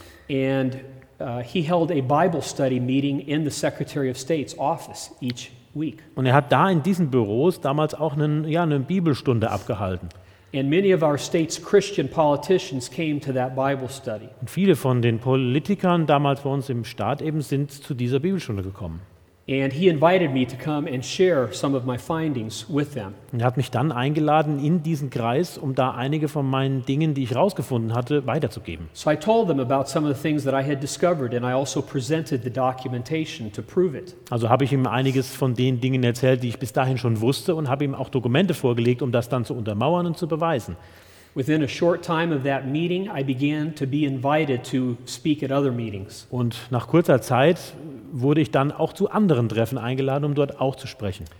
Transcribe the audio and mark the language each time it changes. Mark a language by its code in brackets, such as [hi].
[en] And he held a Bible study meeting in the Secretary of State's office each week. [de] Und hat da in diesen Büros damals auch eine Bibelstunde abgehalten. [en] And many of our state's Christian politicians came to that Bible study. [de] Und viele von den Politikern damals bei uns im Staat eben sind zu dieser Bibelstunde gekommen. [en] And he invited me to come and share some of my findings with them. [de] Und hat mich dann eingeladen in diesen Kreis, um da einige von meinen Dingen, die ich rausgefunden hatte, weiterzugeben. [en] So I told them about some of the things that I had discovered and I also presented the documentation to prove it. [de] Also habe ich ihm einiges von den Dingen erzählt, die ich bis dahin schon wusste und habe ihm auch Dokumente vorgelegt, um das dann zu untermauern und zu beweisen. [en] Within a short time of that meeting, I began to be invited to speak at other meetings. [de] Und nach kurzer Zeit wurde ich dann auch zu anderen Treffen eingeladen, um dort auch zu sprechen.